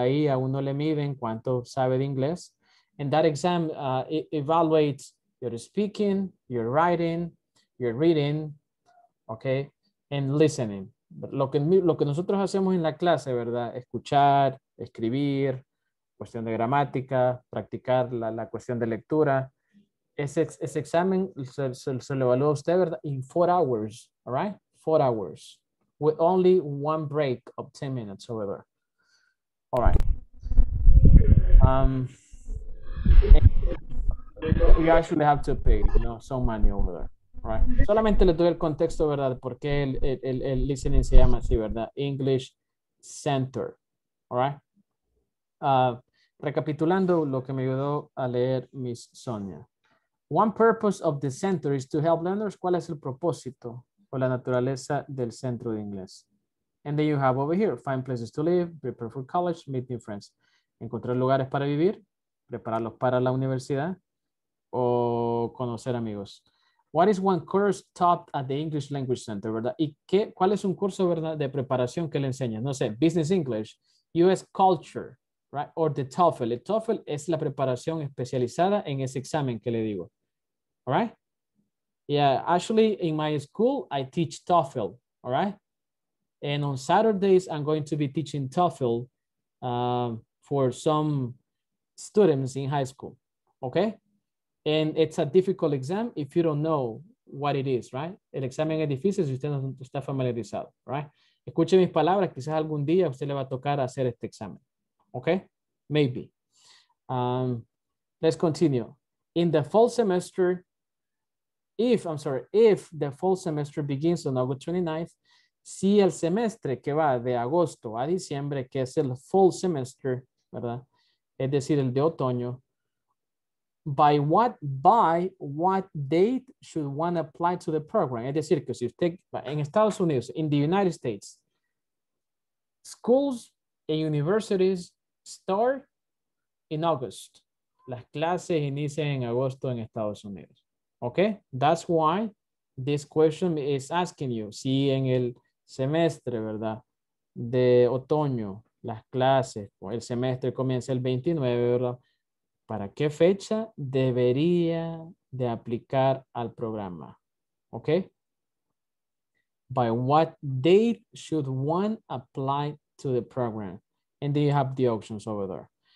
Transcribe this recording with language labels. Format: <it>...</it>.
<es>Ahí a uno le miden cuánto sabe de inglés.</es> <en>And that exam evaluates your speaking, your writing, your reading, okay? And listening.</en> <es>Lo que nosotros hacemos en la clase, ¿verdad? Escuchar, escribir, cuestión de gramática, practicar la cuestión de lectura. Ese examen se lo evalúa usted, ¿verdad?</es> <en>In 4 hours, all right? 4 hours. With only one break of 10 minutes over there. All right. you actually have to pay, you know, some money over there, right?</en> <es>Solamente le doy el contexto, ¿verdad? Porque el listening se llama así, ¿verdad?</es> <en>English Center, all right?</en> <es>Recapitulando lo que me ayudó a leer Miss Sonia.</es> <en>One purpose of the center is to help learners.</en> <es>¿Cuál es el propósito o la naturaleza del centro de inglés?</es> <en>And then you have over here, find places to live, prepare for college, meet new friends.</en> <es>Encontrar lugares para vivir, prepararlos para la universidad o conocer amigos.</es> <en>What is one course taught at the English Language Center, verdad?</en> <es>¿Y qué, cuál es un curso, verdad, de preparación que le enseñan? No sé, Business English, US Culture, right? Or the TOEFL. El TOEFL es la preparación especializada en ese examen que le digo.</es> <en>All right? Yeah, actually, in my school, I teach TOEFL. All right? And on Saturdays, I'm going to be teaching TOEFL for some students in high school. Okay? And it's a difficult exam if you don't know what it is, right?</en> <es>El examen es difícil si usted no está familiarizado, right? Escuche mis palabras, quizás algún día usted le va a tocar hacer este examen.</es> <en>Okay? Maybe. Let's continue. In the fall semester, if the fall semester begins on August 29th,</en> <es>si el semestre que va de agosto a diciembre, que es el fall semester, ¿verdad? Es decir, el de otoño.</es> <en>By what date should one apply to the program?</en> <es>Es decir, que si usted va en Estados Unidos,</es> <en>in the United States, schools and universities start in August.</en> <es>Las clases inician en agosto en Estados Unidos. Okay?</es> <en>That's why this question is asking you,</en> <es>si en el semestre,</es> <en>¿verdad?</en> <es>De otoño, las clases, o el semestre comienza el 29, ¿verdad? ¿Para qué fecha debería de aplicar al programa? ¿Ok?</es> <en>By what date should one apply to the program? And then you have the options over there.</en>